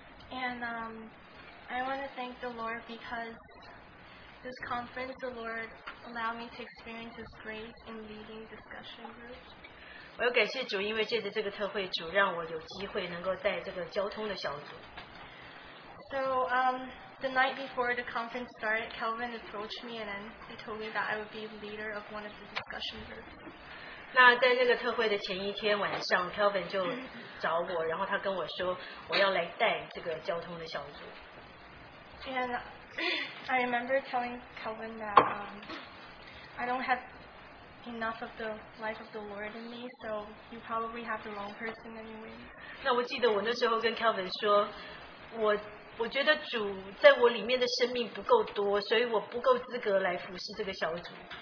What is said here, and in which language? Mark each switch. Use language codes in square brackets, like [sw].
[en] And I want to thank the Lord because this conference, the Lord allowed me to experience His grace in leading discussion groups. [zh] 我要感谢主，因为借着这个特会主，让我有机会能够在这个交通的小组。 [en] So the night before the conference started, Kelvin approached me and then he told me that I would be the leader of one of the discussion groups. [zh] 那在那个特会的前一天晚上 Kelvin 就找我 然后他跟我说 我要来带这个交通的小组 [en] And I remember telling Kelvin that I don't have enough of the life of the Lord in me, so you probably have the wrong person anyway. [zh] 那我记得我那时候跟 Kelvin 说 我觉得主在我里面的生命不够多 所以我不够资格来服侍这个小组